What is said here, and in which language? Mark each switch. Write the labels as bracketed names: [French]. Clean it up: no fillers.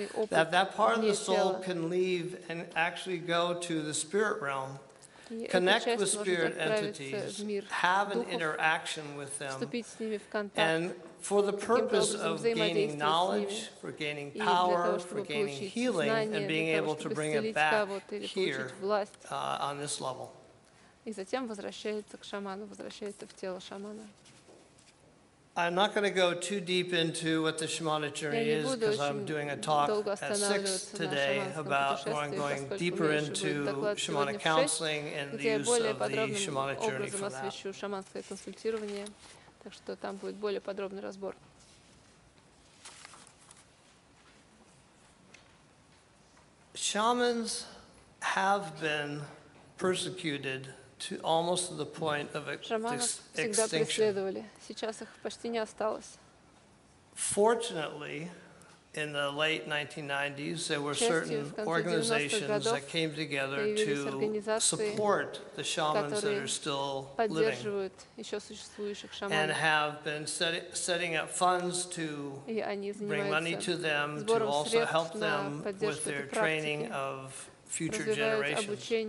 [English] that part of the soul can leave and actually go to the spirit realm, connect with spirit entities, have an interaction with them, and for the purpose of gaining knowledge, for gaining power, for gaining healing, and being able to bring it back here on this level. [Russian] И затем возвращается к шаману, возвращается в тело шамана. [English] I'm not going to go too deep into what the shamanic journey is, because I'm doing a talk at 6 today about where I'm going deeper into shamanic counseling and the use of the shamanic journey for that. [Russian] Освещу шаманское консультирование, так что там будет более подробный разбор. [English] Shamans have been persecuted to almost to the point of extinction. Fortunately, in the late 1990s, there were certain organizations that came together to support the shamans that are still living and have been setting up funds to bring money to them, to also help them with their training of future generations.